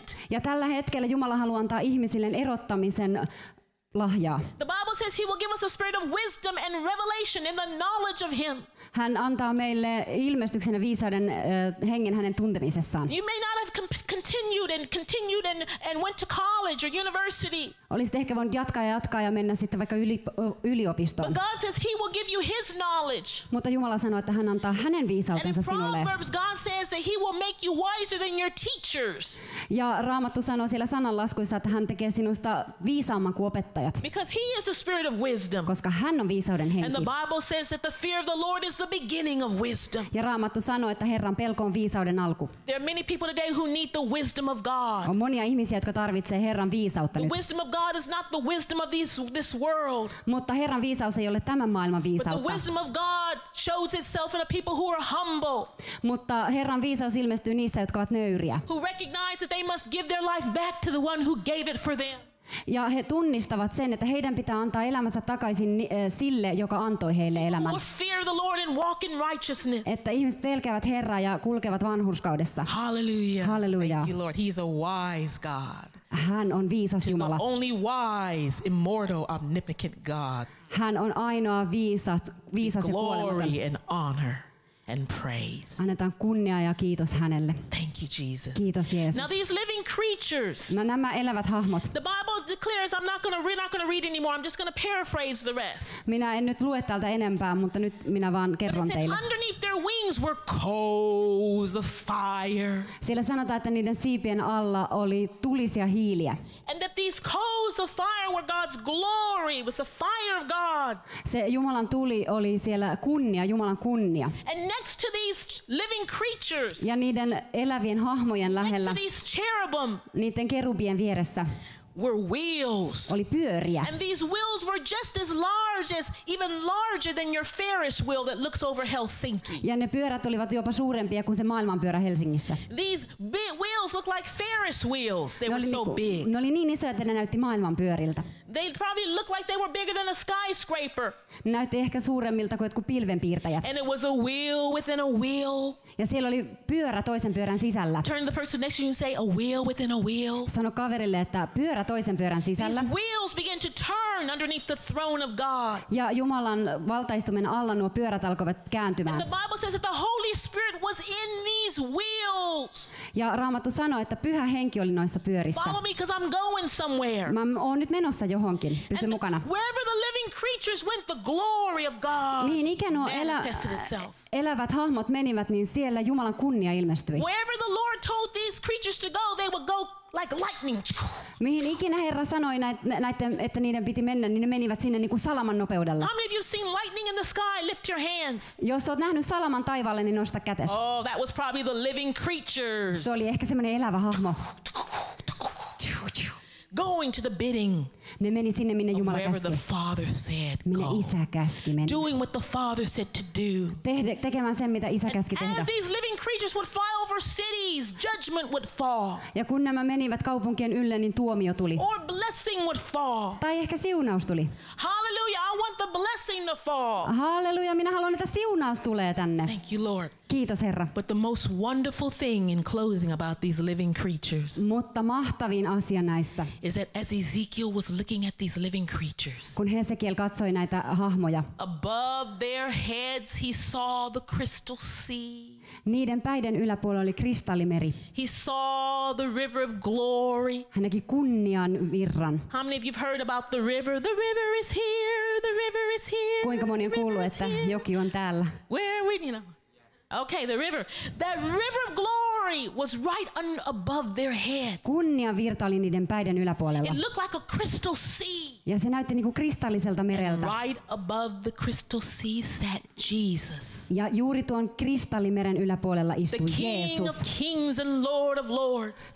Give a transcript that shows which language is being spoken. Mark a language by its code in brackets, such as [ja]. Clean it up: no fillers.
[fi] Ja tällä hetkellä Jumala haluaa antaa ihmisille erottamisen lahjaa. [en] The Bible says he will give us a spirit of wisdom and revelation in the knowledge of him. [fi] Hän antaa meille ilmestyksen ja viisauden hengen hänen tuntemisessaan. [en] You may not have continued and went to college or university. [fi] Olisit ehkä voinut jatkaa ja mennä sitten vaikka yliopistoon. [en] But God says he will give you his knowledge. [fi] Mutta Jumala sanoo, että hän antaa hänen viisautensa sinulle. [en] And in Proverbs God says that he will make you wiser than your teachers. [fi] Ja Raamattu sanoo siellä sananlaskuissa, että hän tekee sinusta viisaamman kuin opettaja. [en] Because he is the spirit of wisdom. [fi] Koska hän on viisauden henki. [en] And the Bible says that the fear of the Lord is the beginning of wisdom. [fi] Ja Raamattu sanoo, että Herran pelko on viisauden alku. [en] There are many people today who need the wisdom of God. [fi] On monia ihmisiä, jotka tarvitsee Herran viisautta nyt. [en] The wisdom of God is not the wisdom of this world. [fi] Mutta Herran viisaus ei ole tämän maailman viisautta. [en] But the wisdom of God shows itself in a people who are humble. [fi] Mutta Herran viisaus ilmestyy niissä, jotka ovat nöyriä. [en] Who recognize that they must give their life back to the one who gave it for them. [fi] Ja he tunnistavat sen, että heidän pitää antaa elämänsä takaisin sille, joka antoi heille elämän. [en] Fear the Lord and walk in righteousness. [fi] Että ihmiset pelkäävät Herraa ja kulkevat vanhurskaudessa. [en] Hallelujah. [fi] Hallelujah. [en] Thank you, Lord. He's a wise God. [fi] Hän on viisas Jumala. [en] The only wise, immortal, omnipotent God. [fi] Hän on ainoa viisas ja kuolematon. [en] Glory and honor. and praise. [fi] Annetaan kunnia ja kiitos hänelle. [en] Thank you, Jesus. [fi] Kiitos Jeesus. [en] Now these living creatures. [fi] No nämä elävät hahmot. [en] The Bible declares, I'm not gonna read anymore. I'm just gonna paraphrase the rest. [fi] Minä en nyt lue tältä enempää, mutta nyt minä vaan kerron teille. [en] Underneath their wings were coals of fire. [fi] Siellä sanotaan, että niiden siipien alla oli tulisia hiiliä. [en] And that these coals of fire were God's glory. It was the fire of God. [fi] Se Jumalan tuli oli siellä kunnia, Jumalan kunnia. [en] And next to these living creatures. [fi] Ja niiden elävien hahmojen lähellä. [en] Next to these cherubim. [fi] Niiden kerubien vieressä. [en] Were wheels. [fi] Oli pyöriä. [en] And these wheels were just as large as, even larger than your Ferris wheel that looks over Helsinki. [fi] Ja ne pyörät olivat jopa suurempia kuin se maailmanpyörä Helsingissä. [en] These big wheels looked like Ferris wheels. They were so big. [fi] Ne oli niin isoja, että ne näytti maailmanpyöriltä. [en] They probably looked like they were bigger than a skyscraper. [fi] Näytti ehkä suuremmilta kuin jotkut pilvenpiirtäjät. [en] And it was a wheel within a wheel. [fi] Ja siellä oli pyörä toisen pyörän sisällä. [en] Turn to the person next to you and say, a wheel within a wheel. [fi] Sano kaverille, että pyörä toisen pyörän sisällä. [en] These wheels began to turn underneath the throne of God. [fi] Ja Jumalan valtaistumen alla nuo pyörät alkoivat kääntymään. [en] And the Bible says that the Holy Spirit was in these wheels. [fi] Ja Raamattu sanoi, että Pyhä Henki oli noissa pyörissä. [en] Follow me, because I'm going somewhere. [fi] Mä oon nyt menossa johonkin. Pysy and mukana. [en] Wherever the living creatures went, the glory of God manifested itself. [fi] Elävät hahmot menivät, niin siellä Jumalan kunnia ilmestyi. [en] Wherever the Lord told these creatures to go, they would go like lightning. [fi] Mihin ikinä Herra sanoi näiden, että niiden piti mennä, niin ne menivät sinne niin kuin salaman nopeudella. [en] How many of you seen lightning in the sky? Lift your hands. [fi] Jos olet nähnyt salaman taivaalle, niin nosta kätesi. [en] Oh, that was probably the living creatures. [fi] Se oli ehkä semmoinen elävä hahmo. [en] Going to the bidding. [fi] Ne meni sinne, minne Jumala käski. [en] Wherever the Father said, go. [fi] Minne isä käski mennä. [en] Doing what the Father said to do. [fi] Tekemään sen, mitä isä käski tehdä. [en] As these living creatures would fly over cities, judgment would fall. [fi] Ja kun nämä menivät kaupunkien ylle, niin tuomio tuli. [en] Or blessing would fall. [fi] Tai ehkä siunaus tuli. [en] Hallelujah, I want the blessing to fall. [fi] Hallelujah, minä haluan, että siunaus tulee tänne. [en] Thank you, Lord. [fi] Kiitos Herra. [en] But the most wonderful thing in closing about these living creatures. [fi] Mutta mahtavin asia näissä. [en] Is that as Ezekiel was looking at these living creatures. [fi] Kun Hesekiel katsoi näitä hahmoja. [en] Above their heads he saw the crystal sea. [fi] Niiden päiden yläpuolella oli kristallimeri. [en] He saw the river of glory. [fi] Hän näki kunnian virran. [en] How many of you've heard about the river? The river is here. The river is here. [fi] Kuinka moni on kuullut, että joki on täällä? [en] Where we, you know. Okay, the river. That river of glory was right above their heads. [fi] Kunnian virta oli niiden päiden yläpuolella. [en] It looked like a crystal sea. [fi] Ja se näytti niinku kristalliselta mereltä. [en] And right above the crystal sea sat Jesus. [fi] Ja juuri tuon kristallimeren yläpuolella istui Jeesus. [en] The King of kings and Lord of lords.